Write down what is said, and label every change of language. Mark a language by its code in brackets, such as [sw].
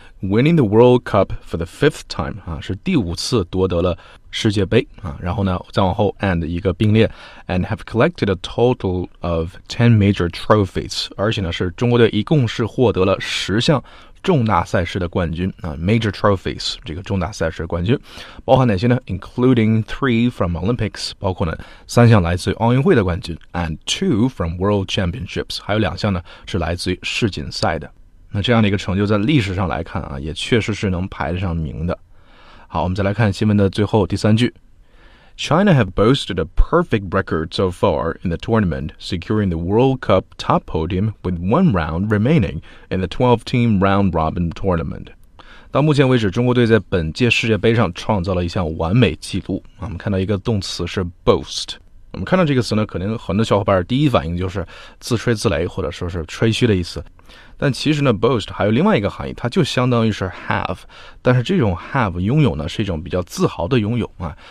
[en] Winning the World Cup for the 5th time [zh] 啊，是第五次夺得了世界杯啊，然后呢再往后 and 一个并列 [en] and have collected a total of 10 major trophies， [zh] 而且呢是中国队一共是获得了10项重大赛事的冠军啊 ，major trophies 这个重大赛事的冠军，包含哪些呢 ？ [en] Including 3 from Olympics， [zh] 包括呢3项来自于奥运会的冠军 ， [en] and 2 from World Championships， [zh] 还有2项呢是来自于世锦赛的。那这样的一个成就，在历史上来看啊，也确实是能排得上名的。好，我们再来看新闻的最后第三句 [en] China have boasted a perfect record so far in the tournament, securing the World Cup top podium with one round remaining in the 12-team round-robin tournament. [zh] 到目前为止，中国队在本届世界杯上创造了一项完美记录。我们看到一个动词是 boast。我们看到这个词呢，可能很多小伙伴第一反应就是自吹自擂，或者说是吹嘘的意思。但其实呢 boast 还有另外一个含义，它就相当于是 have， 但是这种 have 拥有呢是一种比较自豪的拥有啊。